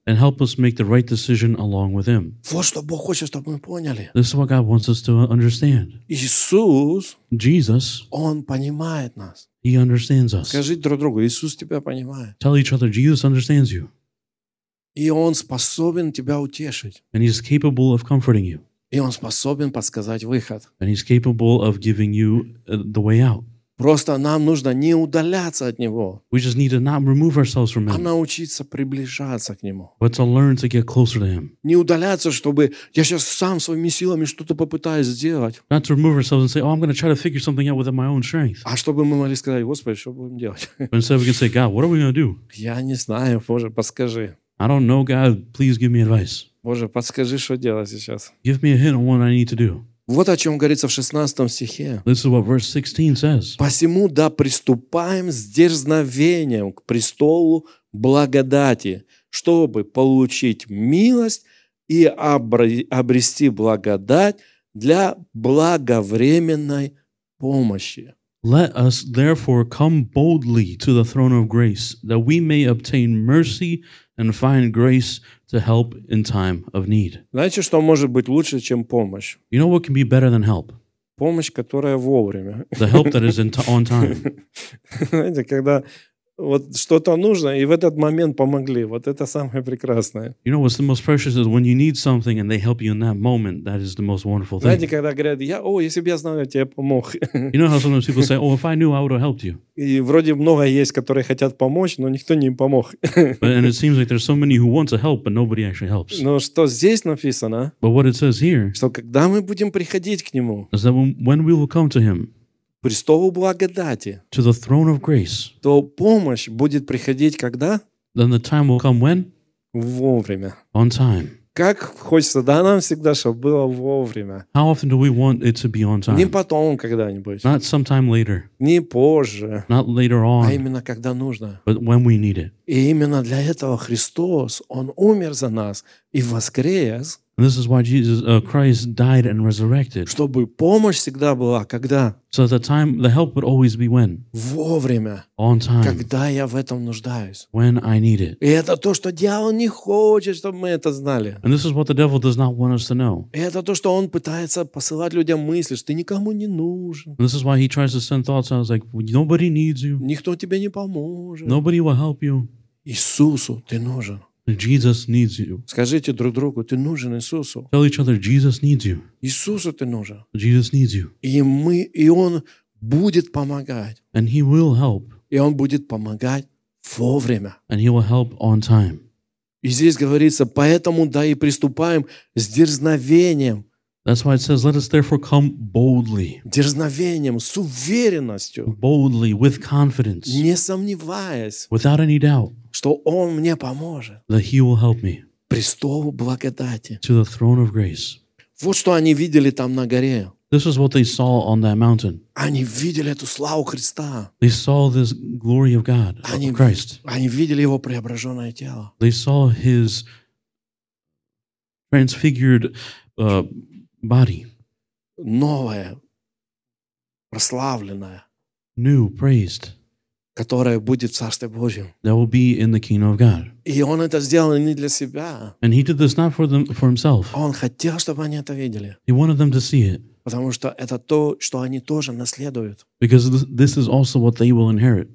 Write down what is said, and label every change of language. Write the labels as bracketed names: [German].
[English] and help us make the right decision along with Him. [Russian] Вот что Бог хочет, чтобы мы поняли. [English] This is what God wants us to understand. [Russian] Иисус, [English] Jesus, [Russian] Он понимает нас. [English] He understands us. [Russian] Скажите друг другу, Иисус тебя понимает. [English] Tell each other, Jesus understands you. [Russian] И Он способен тебя утешить. [English] And He is capable of comforting you. [Russian] И он способен подсказать выход. [English] And he's capable of giving you the way out. [Russian] Просто нам нужно не удаляться от него. [English] We just need to not remove ourselves from him. [Russian] А научиться приближаться к нему. [English] But to learn to get closer to him. [Russian] Не удаляться, чтобы я сейчас сам своими силами что-то попытаюсь сделать. [English] Not to remove ourselves and say, oh, I'm going to try to figure something out with my own strength. [Russian] А чтобы мы могли сказать, Господи, что будем делать? [English] But instead we can say, God, what are we going to do? [Russian] Я не знаю, Боже, подскажи. [English] I don't know, God, please give me advice. [Russian] Боже, подскажи, что делать сейчас. [English] Give me a hint on what I need to do. [Russian] Вот о чем говорится в 16 стихе. [English] This is what verse 16 says. [Russian] Посему да приступаем с дерзновением к престолу благодати, чтобы получить милость и обрести благодать для благовременной помощи. [English] Let us therefore come boldly to the throne of grace, that we may obtain mercy and find grace to help in time of need. [Russian] Знаете, что может быть лучше, чем помощь? [English] You know what can be better than help? [Russian] Помощь, которая вовремя. [English] The help that is on time. [Russian] Знаете, когда вот что-то нужно, и в этот момент помогли. Вот это самое прекрасное. [English] You know what's the most precious is when you need something and they help you in that moment. That is the most wonderful thing. [Russian] Знаете, когда говорят, если бы я знал, я тебе помог. [English] You know how sometimes people say, oh, if I knew, I would have helped you. [Russian] И вроде много есть, которые хотят помочь, но никто не им помог. [English] But, and it seems like there's so many who want to help, but nobody actually helps. [Russian] Но что здесь написано? [English] But what it says here. [Russian] Что когда мы будем приходить к нему? [English] Is that when we will come to him. [Russian] Престолу благодати. [English] To the throne of grace. [Russian] То помощь будет приходить когда? [English] Then the time will come when? [Russian] Вовремя. [English] On time. [Russian] Как хочется, да, нам всегда, чтобы было вовремя. [English] How often do we want it to be on time? [Russian] Не потом когда-нибудь. [English] Not sometime later. [Russian] Не позже. [English] Not later on. [Russian] А именно когда нужно. [English] But when we need it. [Russian] И именно для этого Христос, Он умер за нас и воскрес. [English] And this is why Jesus Christ died and resurrected. [Russian] Чтобы помощь всегда была, когда? [English] So the time, the help would always be when? [Russian] Вовремя. [English] On time. [Russian] Когда я в этом нуждаюсь. [English] When I need it. [Russian] И это то, что дьявол не хочет, чтобы мы это знали. [English] And this is what the devil does not want us to know. [Russian] И это то, что он пытается посылать людям мысли, что ты никому не нужен. [English] And this is why he tries to send thoughts. I was like, nobody needs you. [Russian] Никто тебе не поможет. [English] Nobody will help you. [Russian] Иисусу ты нужен. [English] Jesus needs you. [Russian] Скажите друг другу, ты нужен Иисусу. [English] Tell each other, Jesus needs you. [Russian] Иисусу ты нужен. [English] Jesus needs you. [Russian] И Он будет помогать. [English] And He will help. [Russian] И Он будет помогать вовремя. [English] And He will help on time. [Russian] И здесь говорится, поэтому да и приступаем с дерзновением. [English] That's why it says, let us therefore come boldly. [Russian] Дерзновением, с уверенностью. [English] Boldly, with confidence. [Russian] Не сомневаясь. [English] Without any doubt. [Russian] Что Он мне поможет. [English] That He will help me. [Russian] Престолу благодати. [English] To the throne of grace. [Russian] Вот что они видели там на горе. [English] This is what they saw on that mountain. [Russian] Они видели эту славу Христа. [English] They saw this glory of God, of Christ. [Russian] Они видели Его преображенное тело. [English] They saw His transfigured body. [Russian] Новое, прославленное. [English] New, praised. [Russian] Которая будет в Царстве Божьем. [English] That will be in the kingdom of God. [Russian] И он это сделал не для себя. [English] And he did this not for them, for himself. [Russian] Он хотел, чтобы они это видели. [English] He wanted them to see it. [Russian] Потому что это то, что они тоже наследуют. [English] Because this is also what they will inherit.